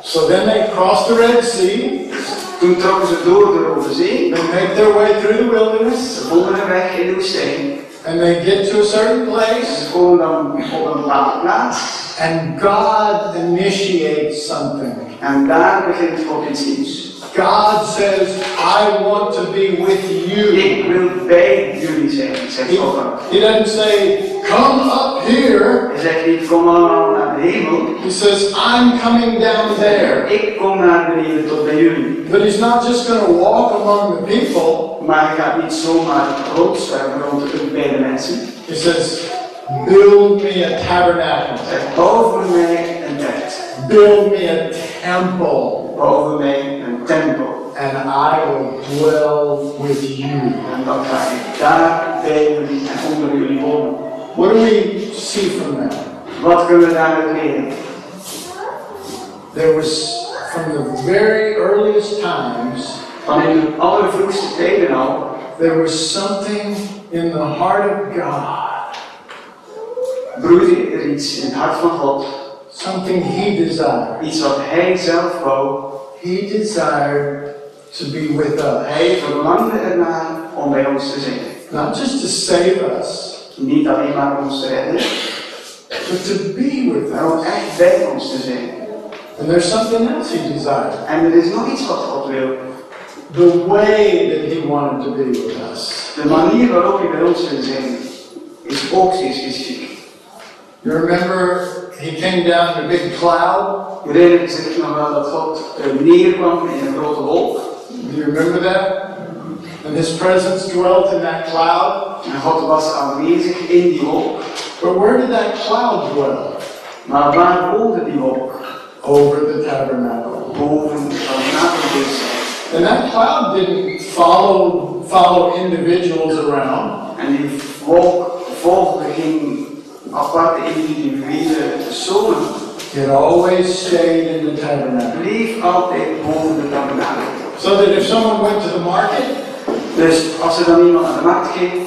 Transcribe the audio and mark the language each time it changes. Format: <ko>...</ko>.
<en>So then they crossed the Red Sea.</en> <nl>Toen trokken ze door de Rode Zee.</nl> <en>They made their way through the wilderness.</en> <nl>Ze vonden een weg in de woestijn.</nl> <en>And they get to a certain place.</en> <nl>Ze komen dan op een bepaalde plaats.</nl> <en>And God initiates something.</en> <nl>En daar begint God iets nieuws.</nl> <en>God says, I want to be with you.</en> <nl>Ik wil bij jullie zijn, zegt God.</nl> <en>He doesn't say, come up here.</en> <nl>Hij zegt niet, kom allemaal naar de hemel.</nl> <en>He says, I'm coming down there.</en> <nl>Ik kom naar beneden tot bij jullie.</nl> <en>But he's not just going to walk among the people.</en> <nl>Maar hij gaat niet zomaar rondzwerven rond de bij de mensen.</nl> <en>He says, build me a tabernacle.</en> <nl>Zeg, bouw voor mij een tent.</nl> <en>Build me a temple.</en> <nl>Bouw voor mij een tempel.</nl> <en>And I will dwell with you.</en> <nl>En dan ga ik daar bij jullie en onder jullie wonen.</nl> <en>What do we see from that?</en> <nl>Wat kunnen we daaruit leren?</nl> <en>There was from the very earliest times,</en> <nl>van in de allervroegste tijden al,</nl> <en>there was something in the heart of God.</en> <nl>Broeide er iets in het hart van God.</nl> <en>Something he desired.</en> <nl>Iets wat hij zelf wou.</nl> <en>He desired to be with us.</en> <nl>Hij verlangde ernaar om bij ons te zijn.</nl> <en>Not just to save us.</en> <nl>Niet alleen maar ons te redden.</nl> <en>But to be with us.</en> <nl>Maar echt bij ons te zijn.</nl> <en>And there's something else he desired.</en> <nl>En er is nog iets wat God wil.</nl> <en>The way that he wanted to be with us.</en> <nl>De manier waarop hij bij ons wil zijn. Is ook zeer specifiek.</nl> <en>You remember he came down in a big cloud?</en> <nl>Je herinnert zich nog wel dat God neerkwam in een grote wolk.</nl> <en>Do you remember that? And his presence dwelt in that cloud.</en> <nl>En God was aanwezig in die wolk.</nl> <en>But where did that cloud dwell?</en> <nl>Maar waar woonde die wolk?</nl> <en>Over the tabernacle.</en> <nl>Boven de tabernacle.</nl> <en>And that cloud didn't follow individuals around.</en> <nl>En die wolk volgde geen aparte individuele personen.</nl> <en>It always stayed in the tabernacle.</en> <nl>Bleef altijd boven de tabernacle.</nl> <en>So that if someone went to the market.</en> <nl>Dus als er dan iemand aan de markt ging.</nl>